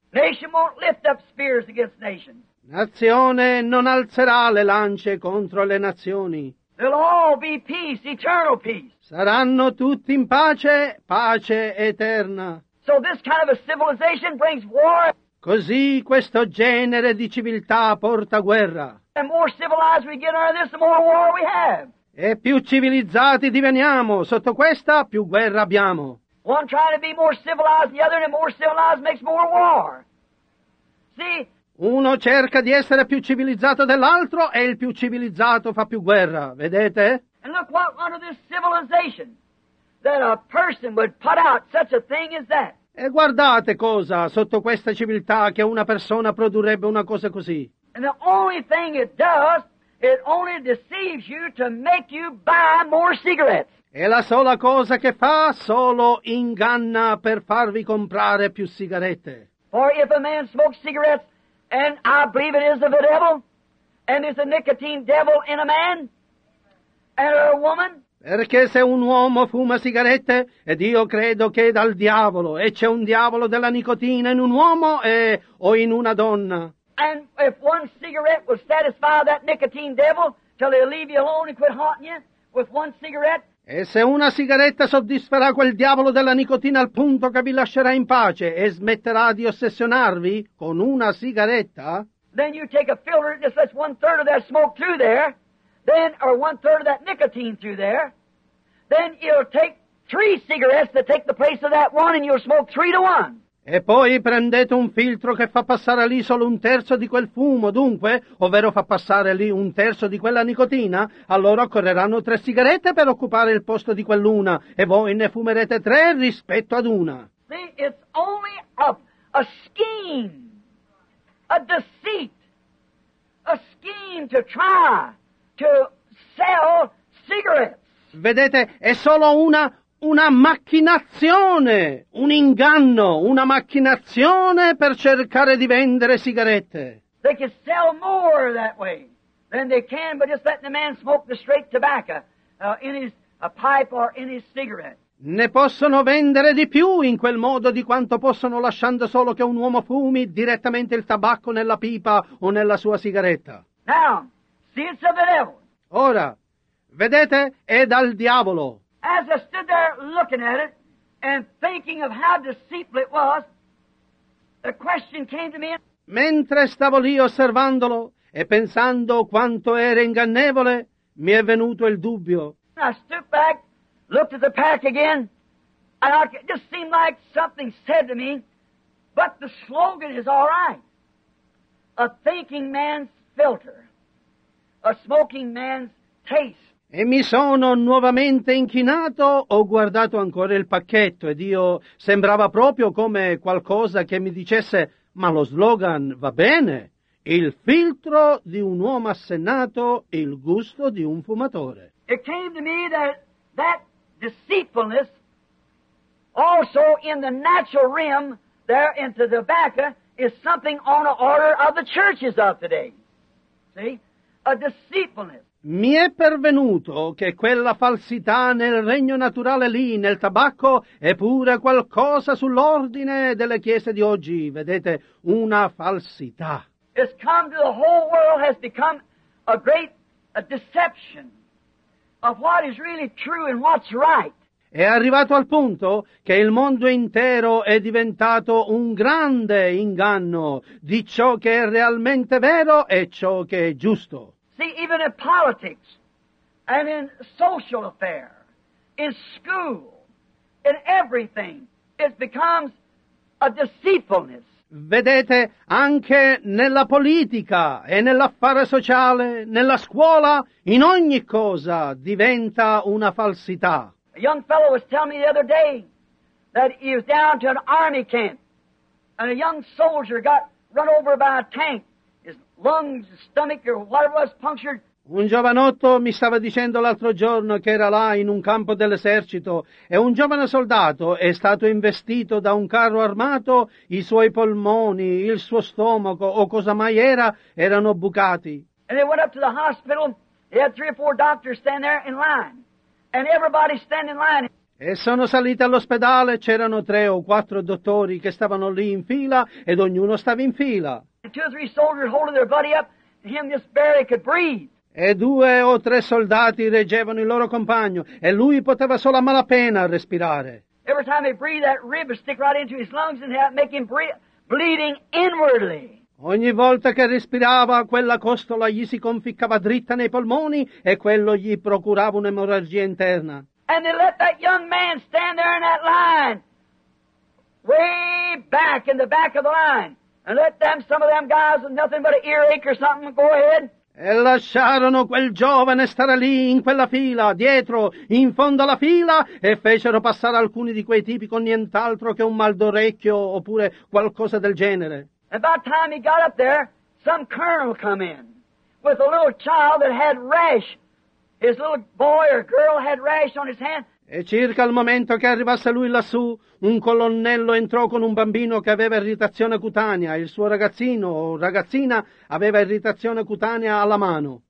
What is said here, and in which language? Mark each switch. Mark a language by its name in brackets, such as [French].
[English] Nation won't lift up spears against nation. [Italian] Nazione non alzerà le lance contro le nazioni. [English] They'll all be peace, eternal peace. [Italian] Saranno tutti in pace, pace eterna. [English] So this kind of a civilization brings war. [Italian] Così questo genere di civiltà porta guerra. [English] And more civilized we get under this, the more war we have. [Italian] E più civilizzati diveniamo sotto questa, più guerra abbiamo. [English] One trying to be more civilized, the other, and more civilized makes more war. See? [Italian] Uno cerca di essere più civilizzato dell'altro, e il più civilizzato fa più guerra. Vedete? [English] And look what under this civilization that a person would put out such a thing as that. [Italian] E guardate cosa sotto questa civiltà che una persona produrrebbe una cosa così. [English] And the only thing it does, it only deceives you to make you buy more cigarettes. [Italian] E la sola cosa che fa, solo inganna per farvi comprare più sigarette. [English] For if a man smokes cigarettes, and I believe it is of the devil, and is a nicotine devil in a man, and a woman. [Italian] Perché se un uomo fuma sigarette, ed io credo che è dal diavolo, e c'è un diavolo della nicotina in un uomo o in una donna. [English] And if one cigarette will satisfy that nicotine devil till he'll leave you alone and quit haunting you with one cigarette. [Italian] E se una sigaretta soddisferà quel diavolo della nicotina al punto che vi lascerà in pace e smetterà di ossessionarvi con una sigaretta. [English] Then you take a filter and just lets one third of that smoke through there, then or one third of that nicotine through there, then you'll take three cigarettes to take the place of that one and you'll smoke 3-1. [Italian] E poi prendete un filtro che fa passare lì solo un terzo di quel fumo, dunque, ovvero fa passare lì un terzo di quella nicotina, allora occorreranno 3 sigarette per occupare il posto di quell'una, e voi ne fumerete 3 rispetto ad una. [English] See, it's only a scheme, a deceit, a scheme to try to sell cigarettes. [Italian] Vedete, è solo una macchinazione, un inganno, una macchinazione per cercare di vendere sigarette. [English] They can sell more that way than they can by just letting the man smoke the straight tobacco in his pipe or in his cigarette. [Italian] Ne possono vendere di più in quel modo di quanto possono lasciando solo che un uomo fumi direttamente il tabacco nella pipa o nella sua sigaretta. [English] Now, see, it's of the devil. [Italian] Ora, vedete, è dal diavolo. [English] As I stood there looking at it and thinking of how deceitful it was, The question came to me. [Italian] Mentre stavo lì osservandolo e pensando quanto era ingannevole, mi è venuto il dubbio. [English] I stooped back, looked at the pack again, and it just seemed like something said to me, but the slogan is all right. A thinking man's filter, a smoking man's taste. [Italian] E mi sono nuovamente inchinato, ho guardato ancora il pacchetto, ed io sembrava proprio come qualcosa che mi dicesse, ma lo slogan va bene, il filtro di un uomo assennato, il gusto di un fumatore. [English] It came to me that deceitfulness, also in the natural realm, there in the tobacco, is something on the order of the churches of today. See? A deceitfulness. [Italian] Mi è pervenuto che quella falsità nel regno naturale lì, nel tabacco, è pure qualcosa sull'ordine delle chiese di oggi. Vedete, una falsità. [English] It's come to the whole world, has become a great deception of what is really true and what's right. [Italian] È arrivato al punto che il mondo intero è diventato un grande inganno di ciò che è realmente vero e ciò che è giusto. [English] See, even in politics, and in social affair, in school, in everything, it becomes a deceitfulness. [Italian] Vedete, anche nella politica e nell'affare sociale, nella scuola, in ogni cosa diventa una falsità. [English] A young fellow was telling me the other day that he was down to an army camp, and a young soldier got run over by a tank. Lungs, stomach, or whatever was punctured. [Italian] Un giovanotto mi stava dicendo l'altro giorno che era là in un campo dell'esercito e un giovane soldato è stato investito da un carro armato, i suoi polmoni, il suo stomaco o cosa mai era, erano bucati. [English] And they went up to the hospital, they had three or four doctors stand there in line, and everybody stand in line. [Italian] E sono salito all'ospedale, c'erano tre o quattro dottori che stavano lì in fila ed ognuno stava in fila. [English] Two or three soldiers holding their buddy up, and him just barely could breathe. [Italian] E due o tre soldati reggevano il loro compagno, e lui poteva solo a malapena respirare. [English] Every time he breathed, that rib would stick right into his lungs and make him bleeding inwardly. [Italian] Ogni volta che respirava, quella costola gli si conficcava dritta nei polmoni, e quello gli procurava un'emorragia interna. [English] And they let that young man stand there in that line, way back in the back of the line. And let them, some of them guys with nothing but an earache or something, go ahead. [Italian] E lasciarono quel giovane stare lì, in quella fila, dietro, in fondo alla fila, e fecero passare alcuni di quei tipi con nient'altro che un mal d'orecchio oppure qualcosa del genere. [English] And by the time he got up there, some colonel come in with a little child that had rash. His little boy or girl had rash on his hand. [Italian] E circa il momento che arrivasse lui lassù, un colonnello entrò con un bambino che aveva irritazione cutanea. Il suo ragazzino o ragazzina aveva irritazione cutanea alla mano.